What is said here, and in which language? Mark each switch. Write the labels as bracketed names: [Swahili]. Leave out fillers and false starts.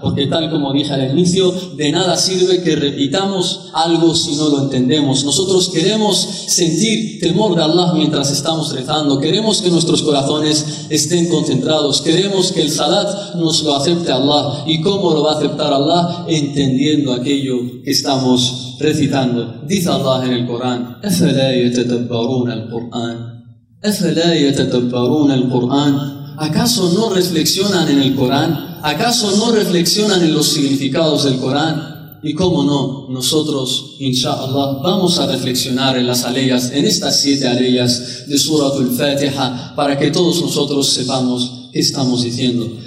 [Spanish] Porque tal como dije al inicio, de nada sirve que repitamos algo si no lo entendemos. Nosotros queremos sentir temor de Allah mientras estamos rezando. Queremos que nuestros corazones estén concentrados. Queremos que el salat nos lo acepte Allah. ¿Y cómo lo va a aceptar Allah? Entendiendo aquello que estamos recitando. Dice Allah en el Corán: [Arabic] أَفَلَا يَتَدَبَّرُونَ الْقُرْآنَ أَفَلَا يَتَدَبَّرُونَ الْقُرْآنَ. [Spanish] ¿Acaso no reflexionan en el Corán? ¿Acaso no reflexionan en los significados del Corán? Y cómo no, nosotros, inshallah, vamos a reflexionar en las aleyas, en estas siete aleyas de Suratul Fatiha, para que todos nosotros sepamos qué estamos diciendo.